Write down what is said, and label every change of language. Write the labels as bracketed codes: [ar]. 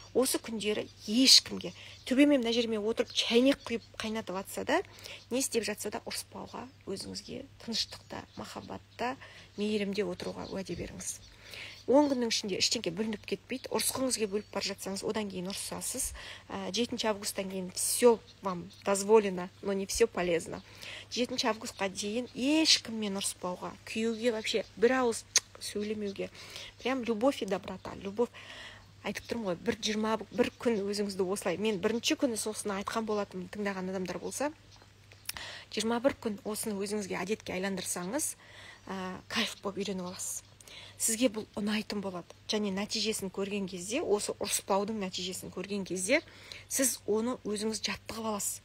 [kk] Осы күндері ешкімге, төбеме мына жерме отырып, чайнек құйып қайнатып атса да, не істеп жатса да ұрыспауға, өзіңізге тыныштықта, махаббатта, мейірімде отыруға уәде беріңіз. 10 күннің ішінде іштеңке бүлініп кетпейді. Ұрысқыңызге бөліп бар жатсаңыз, одан кейін ұрысасыз. 7 августтан кейін [ru] все вам дозволено, но не все полезно. [kk] 7 августқа дейін ешкіммен ұрыспауға, күйеуге вообще бір ауыз сөйлемеуге. [ru] Прям любовь и доброта, любовь. [kk] Айтып тұрмын ғой, бір 20 бір күн өзіңізді осылай. Мен бірінші күні осыны айтқан болатын тыңдаған адамдар болса, 21 күн осыны өзіңізге әдетке айландырсаңыз, кайф болып үйреніп аласыз. Сізге бұл ұнайтын болады. Және нәтижесін көрген кезде, осы ұрыспаудың нәтижесін көрген кезде, сіз оны өзіңіз жаттығып аласыз.